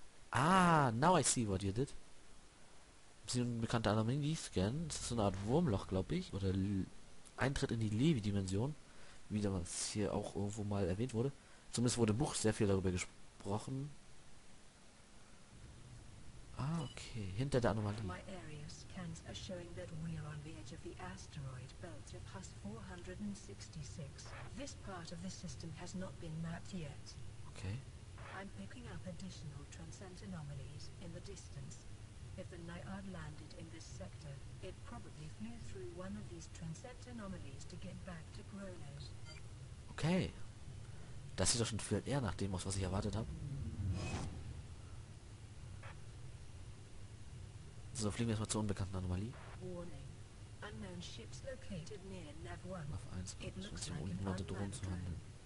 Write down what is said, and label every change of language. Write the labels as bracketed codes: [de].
[en] Ah, now I see what you did. [de] Sie unbekannte Anomalie scannen. Das ist so eine Art Wurmloch, glaube ich. Oder Eintritt in die Levi-Dimension. Wie damals hier auch irgendwo mal erwähnt wurde. Zumindest wurde im Buch sehr viel darüber gesprochen. Ah, okay. Hinter der Anomalie. [en] My area scans are showing that we are on the edge of the asteroid belt of Hus 466. This part of the system has not been mapped yet. Okay. I'm picking up additional transient anomalies in the distance. If the Naiad landed in this sector, it probably flew through one of these transient anomalies to get back to Gronos. Okay. [de] Das sieht doch schon viel eher nach dem aus, was ich erwartet habe. So, fliegen wir erstmal zur unbekannten Anomalie. Auf 1, Position, um unbekannte Drohnen zu handeln.